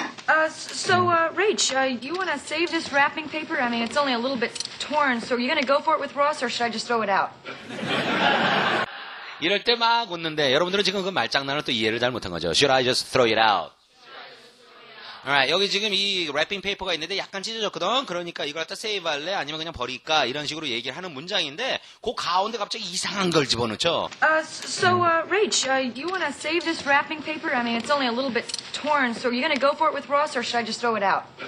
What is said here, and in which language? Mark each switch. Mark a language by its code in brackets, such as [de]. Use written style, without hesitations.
[en] So, Rach, you want to save this wrapping paper? I mean, it's only a little bit torn. So, are you going to go for it with Ross or should I just throw it out? [ko] 이럴 때 막 웃는데 여러분들은 지금 그 말장난을 또 이해를 잘못한 거죠. [en] Should I just throw it out? Alright, [ko] 여기 지금 이 wrapping paper가 있는데 약간 찢어졌거든. 그러니까 이걸 갖다 save 할래? 아니면 그냥 버릴까? 이런 식으로 얘기를 하는 문장인데 그 가운데 갑자기 이상한 걸 집어넣죠. [en] So, Rach, you want to save this wrapping paper? I mean, it's only a little bit torn. So, are you going to go for it with Ross or should I just throw it out?